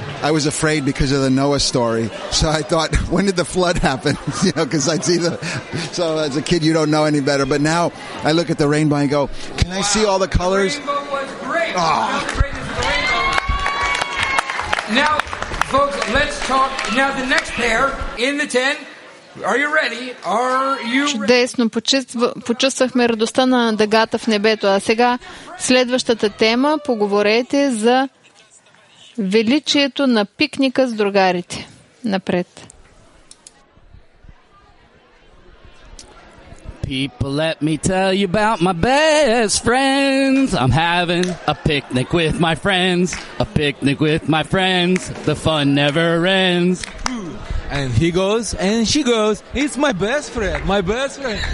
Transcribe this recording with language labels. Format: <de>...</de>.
<en>I was afraid because of the Noah story. So I thought, when did the flood happen? You know, because I'd see the... So as a kid, you don't know any better. But now I look at the rainbow and go, can I see all the colors? The rainbow was great. Oh. Now, folks, let's talk. Now, the next pair in the ten. Are you ready?</en> <bg>Чудесно, почувствахме радостта на дъгата в небето. А сега следващата тема, поговорете за величието на пикника с другарите. Напред.</bg> <en>People, let me tell you about my best friends. I'm having a picnic with my friends. A picnic with my friends. The fun never ends. And he goes, and she goes, it's my best friend, my best friend.</en>